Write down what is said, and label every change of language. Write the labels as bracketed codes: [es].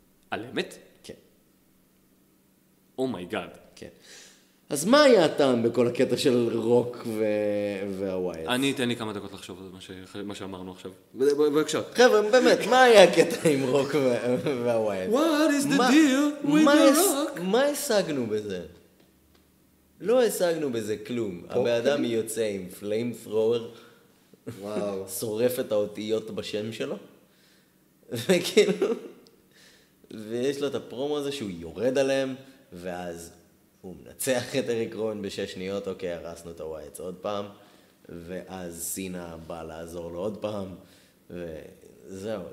[he] על אמת? כן. אומייגאד. כן. אז מה היה הטעם בכל הקטע של רוק והווייאט? אני אתן לי כמה דקות לחשוב על מה שאמרנו עכשיו. בבקשה. חבר'ה, באמת, מה היה הקטע עם רוק והווייאט? [en] What is the deal with the rock? [he] מה השגנו בזה? לא השגנו בזה כלום. הבן אדם יוצא עם פליים פרואר. וואו. שורף את האותיות בשם שלו. וכאילו... ויש לו את הפרומו הזה שהוא יורד עליהם, ואז הוא מנצח את אריק רוין בשש שניות, אוקיי, הרסנו את הווייאט עוד פעם, ואז סינה בא לעזור לו עוד פעם, וזהו.